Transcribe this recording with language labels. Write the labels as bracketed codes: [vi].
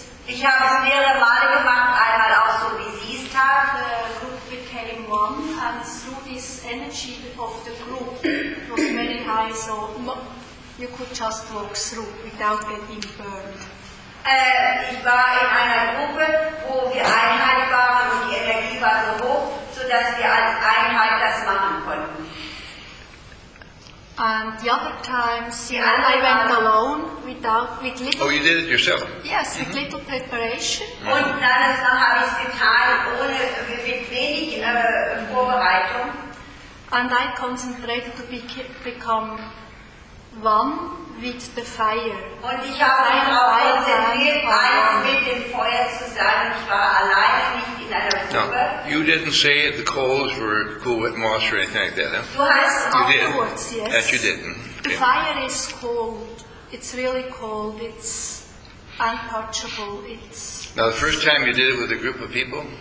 [de] Ich habe es mehrere Male gemacht, einmal auch so wie sie es tat. [en] The group became one and through this energy of the group was very high, so you could just walk through without getting burned. [de] Ich war in einer Gruppe, wo die Einheit war und die Energie war so hoch, sodass wir als Einheit das machen konnten. [en] And the other times, I went alone with little. Oh, you did it yourself? Yes, mm-hmm. With little preparation. [de] Und dann ist noch habe ich es getan, ohne mit wenig Vorbereitung. [en] And I concentrated to become one with the fire. [de] Und ich habe mich auch konzentriert, eins mit dem Feuer zu sein. Ich war alleine, nicht in einer Gruppe. [en] No, you didn't say the coals were cool with moss or anything like that, huh? [de] Du hast [en] you afterwards, did. Yes. That you didn't. The fire is cold. It's really cold. It's untouchable. It's. Now, the first time you did it with a group of people?